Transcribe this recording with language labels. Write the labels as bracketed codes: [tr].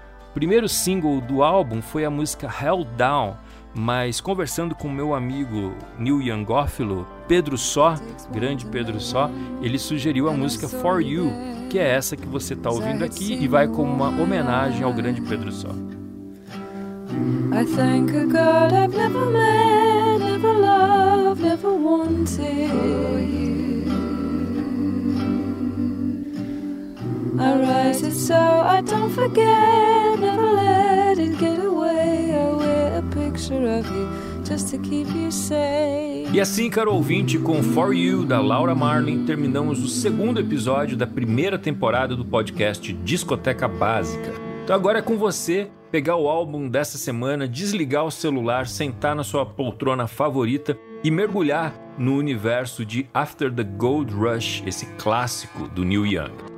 [pt] O primeiro single do álbum foi a música Held Down, mas conversando com meu amigo Neil Youngófilo, Pedro Só, grande Pedro Só, ele sugeriu a música For You, que é essa que você está ouvindo aqui e vai como uma homenagem ao grande Pedro Só. [en] I thank God I've never met, never loved, never wanted. I write it so I don't forget, never let it get away. I wear a picture of you just to keep you safe. [pt] E assim, caro ouvinte, com For You, da Laura Marling, terminamos o segundo episódio da primeira temporada do podcast Discoteca Básica. Então agora é com você pegar o álbum dessa semana, desligar o celular, sentar na sua poltrona favorita e mergulhar no universo de After the Gold Rush, esse clássico do Neil Young.